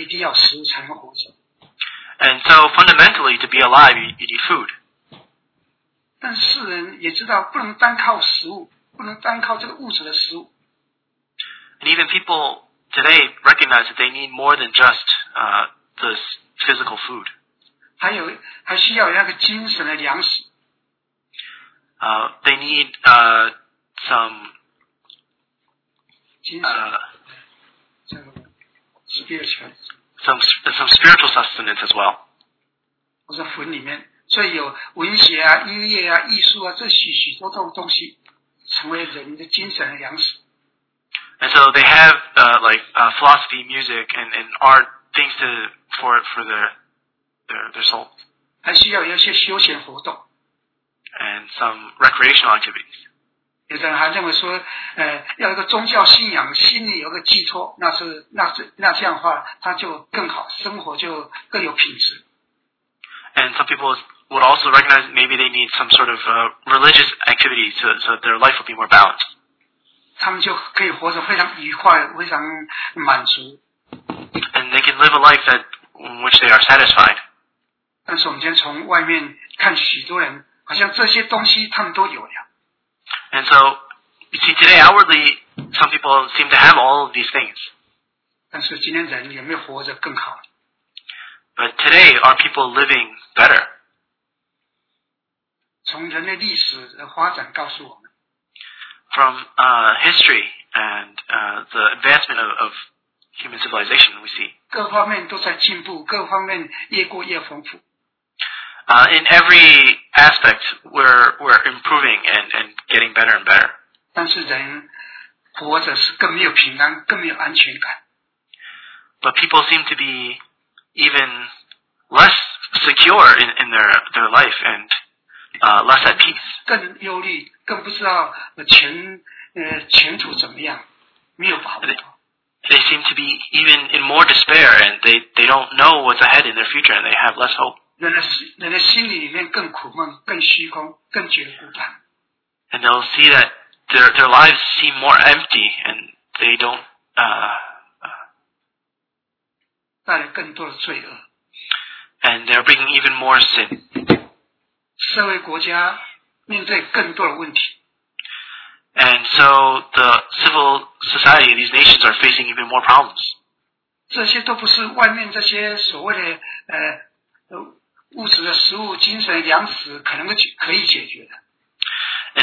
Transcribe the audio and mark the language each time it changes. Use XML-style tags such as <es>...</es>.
<en>And so fundamentally, to be alive, you need food.</en> <zh>但世人也知道不能单靠食物，不能单靠这个物质的食物。</zh> <en>And even people today recognize that they need more than just this physical food.</en> <zh>还需要那个精神的粮食。</zh> <en>They need some</en> <zh>精神。</zh> <en>Some spiritual sustenance as well.</en> <zh>我说魂里面，所以有文学啊、音乐啊、艺术啊，这许多种东西，成为人的精神的粮食。</zh> <en>And so they have philosophy, music, and art things for their soul.</en> <zh>还需要有一些休闲活动。</zh> <en>And some recreational activities.</en> <zh>有的人还认为说，要一个宗教信仰，心里有个寄托，那这样的话，他就更好，生活就更有品质。</zh> <en>And some people would also recognize maybe they need some sort of religious activity so their life would be more balanced.</en> <zh>他们就可以活得非常愉快，非常满足。</zh> <en>And they can live a life that in which they are satisfied.</en> <zh>但是我们今天从外面看，许多人好像这些东西他们都有了。</zh> <en>And so, you see, today, outwardly, some people seem to have all of these things.</en> <zh>但是今天人有没有活着更好？</zh> <en>But today, are people living better?</en> <zh>从人类历史的发展告诉我们。</zh> <en>From history and the advancement of human civilization, we see.</en> <zh>各方面都在进步，各方面越过越丰富。</zh> <en>In every aspect, we're improving and getting better and better.</en> <zh>但是人活着是更没有平安，更没有安全感。</zh> <en>But people seem to be even less secure in their life and less at peace.</en> <zh>更忧虑，更不知道前途怎么样，没有把握。</zh> <en>They seem to be even in more despair and they don't know what's ahead in their future and they have less hope.</en> <zh>人的心里面更苦闷，更虚空，更觉得孤单。</zh> <en>And they'll see that their lives seem more empty, and they don't</en> <zh>带来更多的罪恶。</zh> <en>And they're bringing even more sin.</en> <zh>社会国家面对更多的问题。</zh> <en>And so the civil society in these nations are facing even more problems.</en> <zh>这些都不是外面这些所谓的物质的食物、精神粮食可以解决的。</zh>